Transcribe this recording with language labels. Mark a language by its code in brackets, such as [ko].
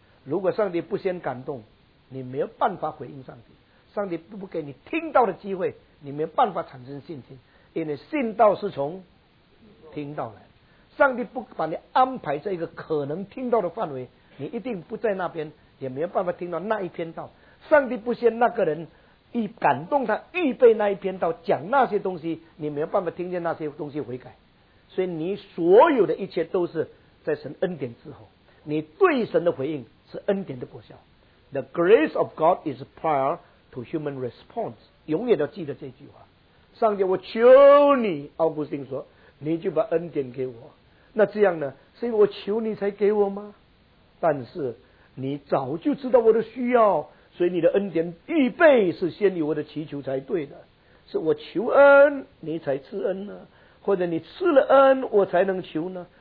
[zh] 如果上帝不先感动，你没有办法回应上帝，上帝不给你听到的机会，你没有办法产生信心，因为信道是从听到来，上帝不把你安排在一个可能听到的范围，你一定不在那边，也没有办法听到那一篇道。上帝不先那个人一感动他预备那一篇道讲那些东西，你没有办法听见那些东西悔改。所以你所有的一切都是在神恩典之后，你对神的回应是恩典的果效。 [en] The grace of God is prior to human response， [zh] 永远要记得这句话。上帝我求你，奥古斯丁说，你就把恩典给我，那这样呢，是因为我求你才给我吗？但是你早就知道我的需要，所以你的恩典预备是先于我的祈求才对的，是我求恩你才赐恩呢，或者你赐了恩我才能求呢？